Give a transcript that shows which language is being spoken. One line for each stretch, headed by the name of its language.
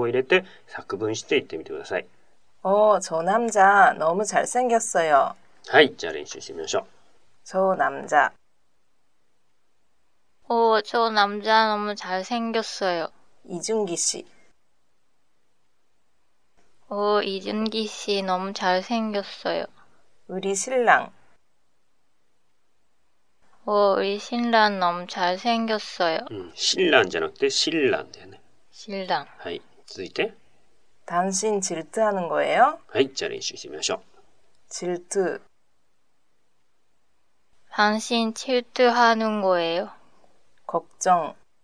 Japanese: はい、걱정っていうのは心配ですね。緊張っていうのは緊張ということになりますね。はい、それでは練習してみましょう。最初にあゆみちゃんが基本形を言って、その後で単語を言いますので、リスナーの皆さんはその単語を入れて作文していってみてください。
Korean: 오, 저 남자 너무 잘생겼어요.
Japanese: はい、じゃあ練習してみましょう。
Korean: 저 남자 오, 저 남자 너무 잘생겼어요. 이준기 씨. 오, 이준기 씨 너무 잘생겼어요. 우리 신랑. 어, 우리 신랑 너무 잘생겼어요.
Japanese: 신랑 じゃなくて 신랑 だよね。
Korean: 신랑.
Japanese: はい、続いて。
Korean: 당신 질투하는 거예요?
Japanese: はい、じゃあ練習してみましょう。
Korean: 질투. 당신 질투하는 거예요? 걱정.